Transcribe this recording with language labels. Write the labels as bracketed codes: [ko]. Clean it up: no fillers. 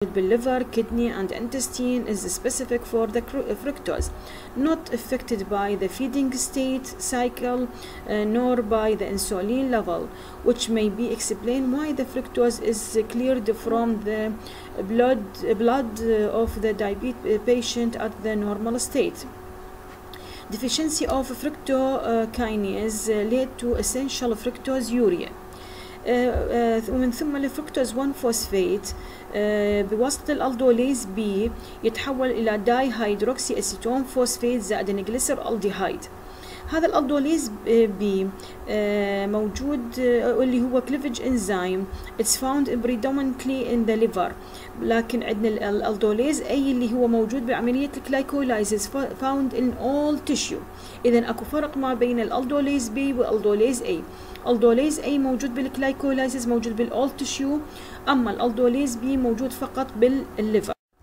[en] The liver, kidney, and intestine is specific for the fructose, not affected by the feeding state cycle, nor by the insulin level, which may be explain why the fructose is cleared from the blood of the diabetes patient at the normal state. Deficiency of fructokinase led to essential fructose urea. [ar] ومن ثم الفركتوز 1 فوسفات بواسطة الألدوليز بي يتحول إلى داي هيدروكسي أسيتون فوسفات زائد نجلسر ألديهايد. هذا الألدوليز بي موجود اللي هو كليفج إنزيم. [en] It's found predominantly in the liver. [ar] لكن عندنا الألدوليز أي اللي هو موجود بعملية الكليكوليزيز [en] found in all tissue. [ar] إذن أكو فرق ما بين الألدوليز بي والألدوليز أي. الألدوليز أي موجود بالكليكوليزيز موجود بالأول تشيو، أما الألدوليز بي موجود فقط بالليفر.